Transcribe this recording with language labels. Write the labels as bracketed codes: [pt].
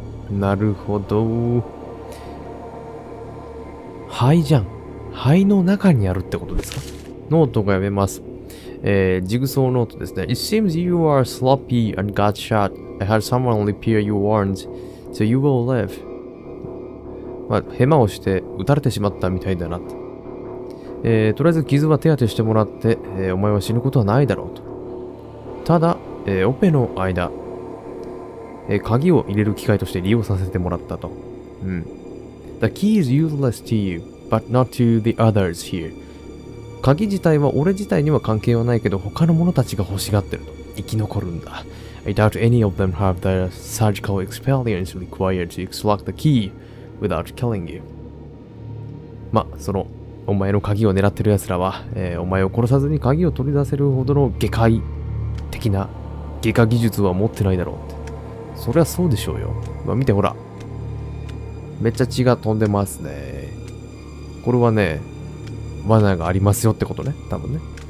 [ja] なるほど。肺じゃん。肺の中にあるってことですか。ノートが読めます。ジグソーノートですね。 [en] It seems you are sloppy and got shot. I had someone repair your wounds, so you will live. [ja] まあ、ヘマをして撃たれてしまったみたいだなって。とりあえず傷は手当てしてもらって、お前は死ぬことはないだろうと。ただ、オペの間、鍵を入れる機械として利用させてもらったと。うん。 [en] The key is useless to you, but not to the others here. [ja] 鍵自体は俺自体には関係はないけど、他の者たちが欲しがってると。生き残るんだ。 [en] I doubt any of them have the surgical experience required to extract the key without killing you. [ja] ま、その、お前の鍵を狙ってる奴らは、お前を殺さずに鍵を取り出せるほどの外科医的な外科技術は持ってないだろうって。そりゃそうでしょうよ。まあ、見てほら。めっちゃ血が飛んでますね。これはね、罠がありますよってことね。多分ね。